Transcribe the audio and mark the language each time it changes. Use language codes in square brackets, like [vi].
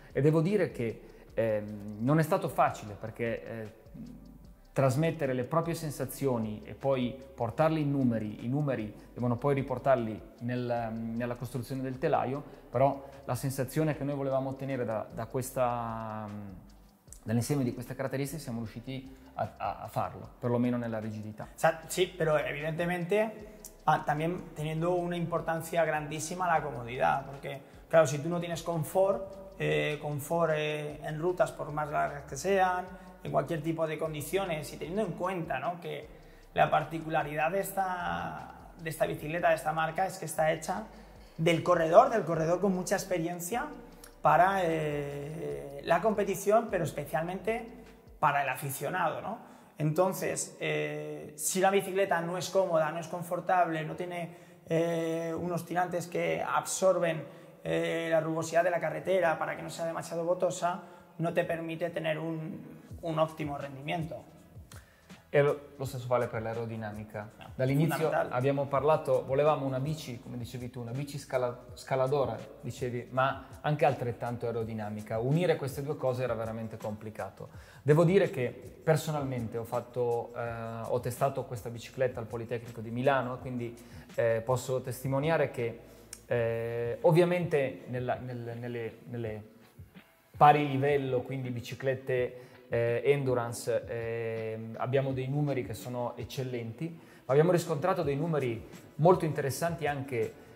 [it] E devo dire che non è stato facile, perché trasmettere le proprie sensazioni e poi portarli in numeri, i numeri devono poi riportarli nella costruzione del telaio, però la sensazione che noi volevamo ottenere da questa, dall'insieme di queste caratteristiche, siamo riusciti a farlo, perlomeno nella rigidità. Sì, però evidentemente [es] también teniendo una importancia [it] grandissima la comodità, perché [es] claro, si tú no tienes confort en rutas, por más largas que sean, en cualquier tipo de condiciones, y teniendo en cuenta, ¿no?, que la particularidad de esta bicicleta, de esta marca, es que está hecha del corredor con mucha experiencia para la competición, pero especialmente para el aficionado, ¿no? Entonces, si la bicicleta no es cómoda, no es confortable, no tiene unos tirantes que absorben la rugosidad de la carretera para que no sea demasiado botosa, no te permite tener un óptimo rendimiento. [it] E lo stesso vale per l'aerodinamica. No, dall'inizio abbiamo parlato, volevamo una bici, come dicevi tu, una bici scaladora, dicevi, ma anche altrettanto aerodinamica. Unire queste due cose era veramente complicato. Devo dire che personalmente ho testato questa bicicletta al Politecnico di Milano, quindi posso testimoniare che ovviamente nelle pari livello, quindi biciclette Endurance, abbiamo dei numeri che sono eccellenti, ma abbiamo riscontrato dei numeri molto interessanti anche